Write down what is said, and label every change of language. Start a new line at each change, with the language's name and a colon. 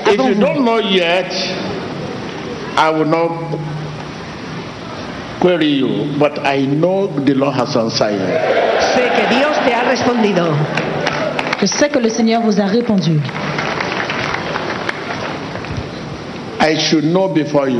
English: If you don't know yet, I will not query you, but I know the Lord has answered you.
Spanish: Sé que Dios te ha respondido.
French: Je sais que le Seigneur vous a répondu.
English: I should know before you.